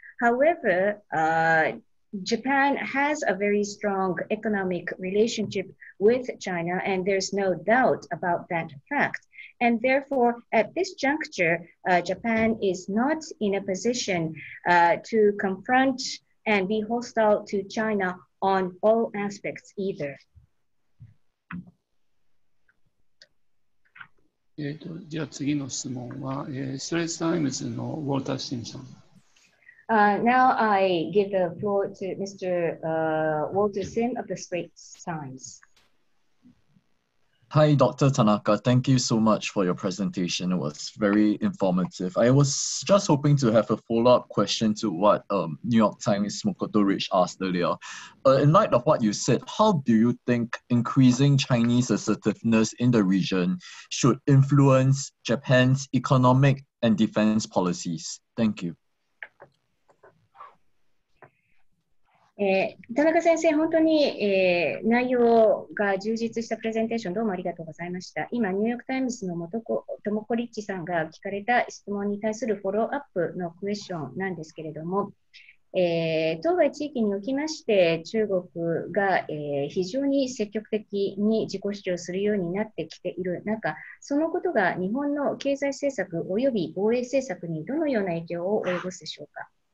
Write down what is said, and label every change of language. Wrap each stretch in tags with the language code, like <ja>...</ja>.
<en>However, Japan has a very strong economic relationship with China, and there's no doubt about that fact. And therefore, at this juncture, Japan is not in a position to confront and be hostile to China on all aspects either.</en> <ja>じゃあ次の質問は、ストレイツタイムズのウォルター・シンさん。</ja> <en>Now I give the floor to Mr. Walter Sim of the Straits Times. Hi, Dr. Tanaka. Thank you so much for your presentation. It was very informative. I was just hoping to have a follow-up question to what New York Times' Mokoto Rich asked earlier. In light of what you said, how do you think increasing Chinese assertiveness in the region should influence Japan's economic and defense policies? Thank you.</en> <ja>田中先生、本当に、内容が充実したプレゼンテーションどうもありがとうございました。今、ニューヨークタイムズの元子トモコリッチさんが聞かれた質問に対するフォローアップのクエスチョンなんですけれども、当該地域におきまして中国が、非常に積極的に自己主張するようになってきている中、そのことが日本の経済政策および防衛政策にどのような影響を及ぼすでしょうか。</ja>